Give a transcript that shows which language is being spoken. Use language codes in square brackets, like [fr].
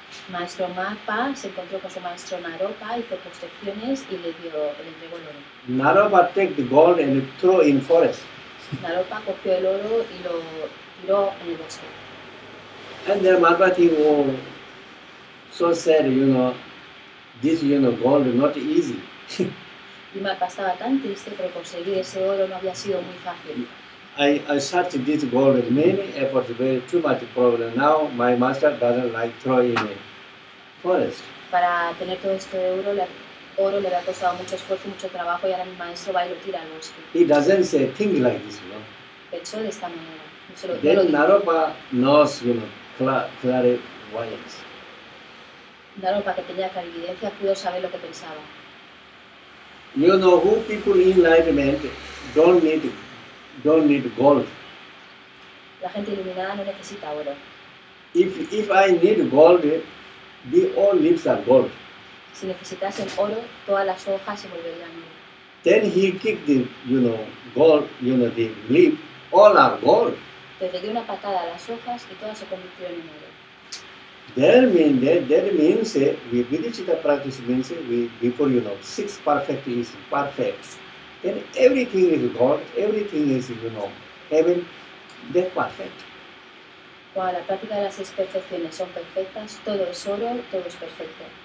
[es] Maestro Mapa se encontró con su maestro Naropa, hizo construcciones y le entregó el oro. [en] Naropa take the gold and threw in forest. [es] Naropa cogió el oro y lo tiró en el bosque. [en] And then Malvati was so sad, you know, this, you know, gold is not easy. [es] Y Mapa estaba tan triste, pero conseguir ese oro no había sido muy fácil. [en] I searched this gold with many efforts, very too much problem. Now my master doesn't like throwing it. Forest. [es] Para tener todo esto de oro le ha costado mucho esfuerzo, mucho trabajo, y ahora mi maestro va y lo tira al bosque. [en] He doesn't say think like this, no? [es] Pensó de esta manera. [en] Then Naropa knows, you know, clairvoyance. [es] Naropa, que tenía clarividencia, pudo saber lo que pensaba. [en] You know who people in enlightenment don't need gold. [es] La gente iluminada no necesita oro. [en] If I need gold, the all leaves are gold. [es] Si necesitasen oro, todas las hojas se volverían oro. [en] Then he kicked the, you know, gold, you know, the leaf, all are gold. [es] Le dio una patada a las hojas y todas se convirtieron en oro. [en] That means we vidicita practice means we before, you know, six perfect is perfect. Then everything is gold, everything is, you know, heaven, that perfect. [es] Cuando la práctica de las seis perfecciones son perfectas, todo es oro, todo es perfecto.